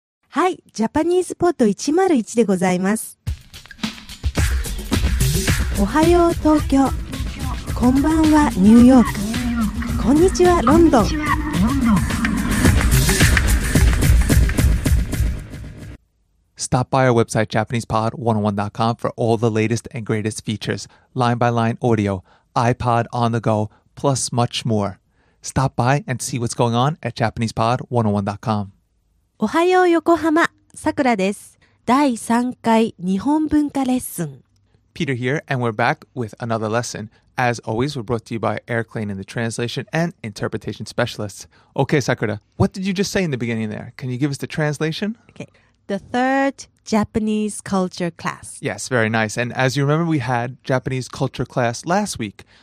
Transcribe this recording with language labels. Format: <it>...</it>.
<ja>はい、ジャパニーズポット101でございます。おはよう東京、こんばんはニューヨーク、こんにちはロンドン。</ja> <en>Stop by our website, JapanesePod101.com, for all the latest and greatest features, line-by-line audio, iPod on the go, plus much more. Stop by and see what's going on at JapanesePod101.com.</en> <ja>おはよう横浜、さくらです。第3回日本文化レッスン。</ja> <en>Peter here, and we're back with another lesson. As always, we're brought to you by Eric Lane and the Translation and Interpretation Specialists. Okay, Sakura, what did you just say in the beginning there? Can you give us the translation? Okay. The third Japanese culture class. Yes, very nice. And as you remember, we had Japanese culture class last week.</en>